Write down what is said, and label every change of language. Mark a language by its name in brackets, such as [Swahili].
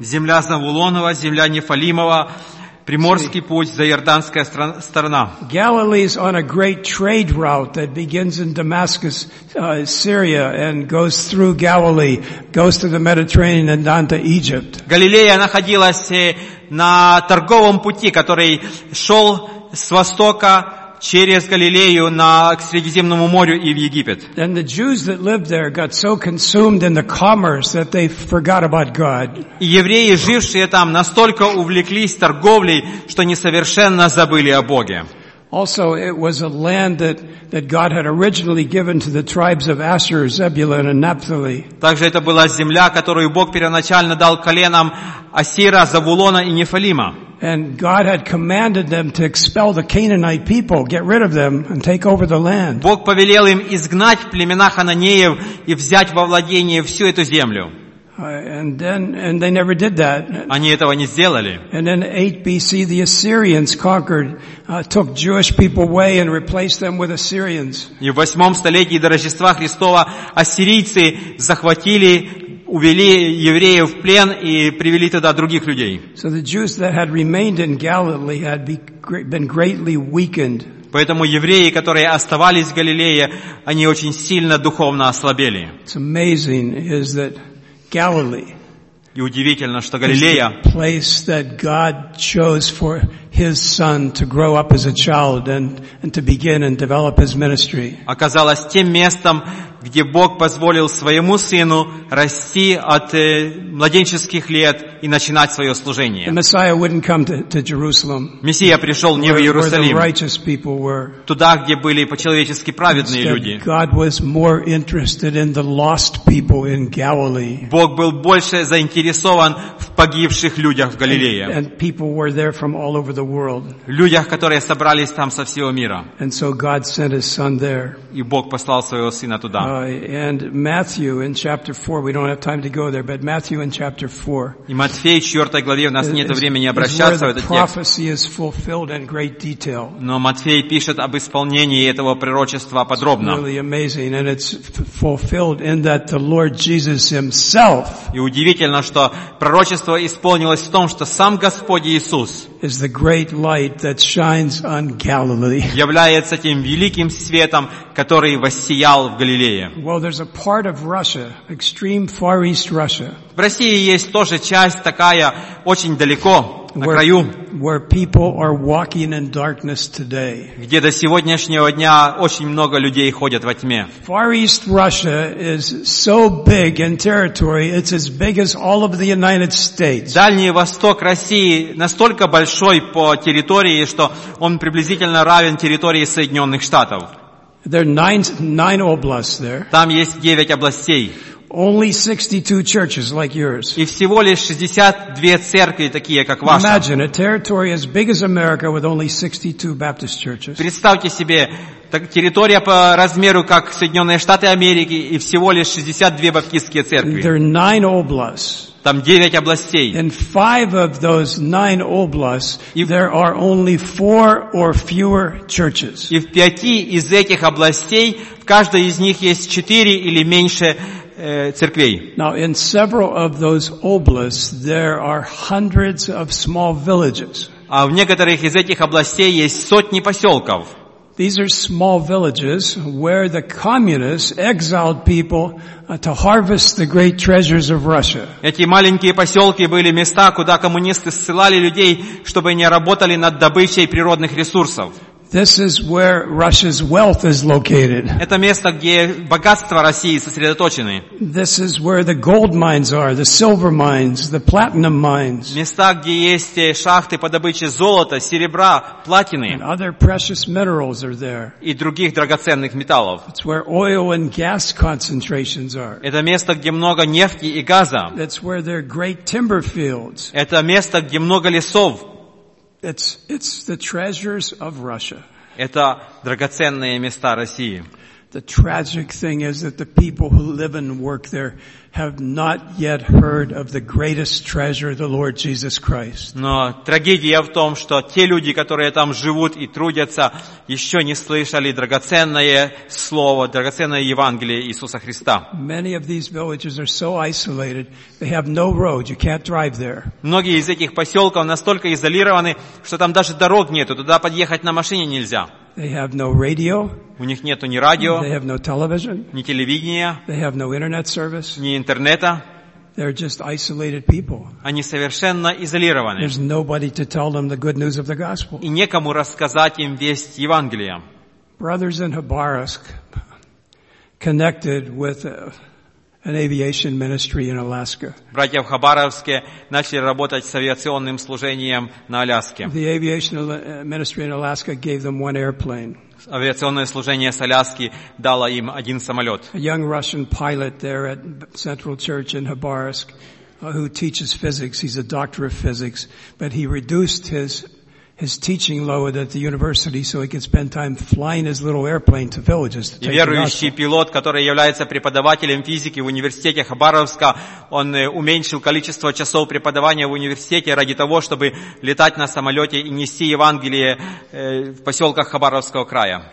[Russian] Земля Завулонова, земля Нефалимова, приморский путь, заярданская сторона. [English] Galilee is on a great trade route that begins in Damascus, Syria, and goes through Galilee, goes to the Mediterranean and down to Egypt. [Russian] Галилея находилась на торговом пути, который шел с востока через Галилею на к Средиземному морю и в Египет. [English] And the Jews that lived there got so consumed in the commerce that they forgot about God. [Russian] И евреи, жившие там, настолько увлеклись торговлей, что они совершенно забыли о Боге. [English] Also, it was a land that God had originally given to the tribes of Asher, Zebulun, and Naphtali. [Russian] Также это была земля, которую Бог первоначально дал коленам Асира, Завулона и Нефалима. [English] And God had commanded them to expel the Canaanite people, get rid of them, and take over the land. [Russian] Бог повелел им изгнать племена хананеев и взять во владение всю эту землю. [English] And they never did that. [Russian] Они этого не сделали. [English] And in 8 BC, the Assyrians conquered, took Jewish people away and replaced them with Assyrians. [Russian] И в 8-м столетии до Рождества Христова ассирийцы захватили, увели евреев в плен и привели туда других людей. [English] So the Jews that had remained in Galilee had been greatly weakened. [Russian] Поэтому евреи, которые оставались в Галилее, они очень сильно духовно ослабели. [English] It's amazing, is that Galilee. [Russian] И удивительно, что Галилея [English] place that God chose for his son to grow up as a child and to begin and develop his ministry. [Russian] Оказалось тем местом, где Бог позволил своему сыну расти от младенческих лет и начинать свое служение. [English] The Messiah wouldn't come to Jerusalem. [Russian] Мессия пришел не в Иерусалим. [English] Where the righteous people were. [Russian] Туда, где были по-человечески праведные люди. [English] God was more interested in the lost people in Galilee. [Russian] Бог был больше заинтересован в погибших людях в Галилее. [English] And people were there from all over the world. [Russian] Людях, которые собрались там со всего мира. [English] And so God sent his son there. [Russian] И Бог послал своего сына туда. [English] And Matthew in chapter 4, we don't have time to go there, but Matthew in chapter 4. [Russian] И Матфея 4 главе, у нас нет времени обращаться в этот текст. [English] Prophecy is fulfilled in great detail. [Russian] Но Матфей пишет об исполнении этого пророчества подробно. [English] It's really amazing, and it's fulfilled in that the Lord Jesus himself. [Russian] И удивительно, что пророчество исполнилось в том, что сам Господь Иисус [English] is the great light that shines on Galilee. [Russian] Является тем великим светом, который воссиял в Галилее. [English] Well, there's a part of Russia, extreme far east Russia. [Russian] В России есть тоже часть такая, очень далеко, на краю. [English] Where people are walking in darkness today. [Russian] Где до сегодняшнего дня очень много людей ходят во тьме. [English] Far east Russia is so big in territory, it's as big as all of the United States. [Russian] Дальний Восток России настолько большой по территории, что он приблизительно равен территории Соединенных Штатов. [English] There are 9 oblasts there. [Russian] Там есть 9 областей. [English] Only 62 churches like yours. [Russian] И всего лишь 62 церкви такие, как ваша. [English] Imagine a territory as big as America with only 62 Baptist churches. [Russian] Представьте себе, территория по размеру как Соединенные Штаты Америки и всего лишь 62 баптистские церкви. [English] There are 9 oblasts. [Russian] Там 9 областей. [English] In 5 of those 9 oblasts, there are only 4 or fewer churches. [Russian] И в 5 из этих областей в каждой из них есть 4 или меньше церквей. [English] Now in several of those oblasts there are hundreds of small villages. [Russian] А в некоторых из этих областей есть сотни поселков. [English] These are small villages where the communists exiled people to harvest the great treasures of Russia. [Russian] Эти маленькие поселки были места, куда коммунисты ссылали людей, чтобы они работали над добычей природных ресурсов. [English] This is where Russia's wealth is located. [Russian] Это место, где богатства России сосредоточены. [English] This is where the gold mines are, the silver mines, the platinum mines. [Russian] Места, где есть шахты по добыче золота, серебра, платины. [English] And other precious minerals are there. [Russian] И других драгоценных металлов. [English] It's where oil and gas concentrations are. [Russian] Это место, где много нефти и газа. [English] It's where there are great timber fields. [Russian] Это место, где много лесов. [English] It's the treasures of Russia. [Russian] Это драгоценные места России. [English] The tragic thing is that the people who live and work there have not yet heard of the greatest treasure, the Lord Jesus Christ. [Russian] Но трагедия в том, что те люди, которые там живут и трудятся, еще не слышали драгоценное слово, драгоценное Евангелие Иисуса Христа. [English] Many of these villages are so isolated, they have no road, you can't drive there. [Russian] Многие из этих поселков настолько изолированы, что там даже дорог нету, туда подъехать на машине нельзя. [English] They have no radio. [Russian] У них нету ни радио. [English] They have no television. [Russian] Ни телевидения. [English] They have no internet service. [Russian] Ни интернета. [English] They're just isolated people. [Russian] Они совершенно изолированы. [English] There's nobody to tell them the good news of the gospel. [Russian] И некому рассказать им весть Евангелия. [English] Brothers in Khabarovsk connected with an aviation ministry in Alaska. [Russian] Братья в Хабаровске начали работать с авиационным служением на Аляске. [English] The aviation ministry in Alaska gave them one airplane. [Russian] Авиационное служение с Аляски дало им один самолет. [English] A young Russian pilot there at Central Church in Khabarovsk, who teaches physics, he's a doctor of physics, but he reduced his teaching load at the university so he can spend time flying his little airplane to villages. [Russian] И верующий пилот, который является преподавателем физики в университете Хабаровска, он уменьшил количество часов преподавания в университете ради того, чтобы летать на самолете и нести Евангелие в поселках Хабаровского края.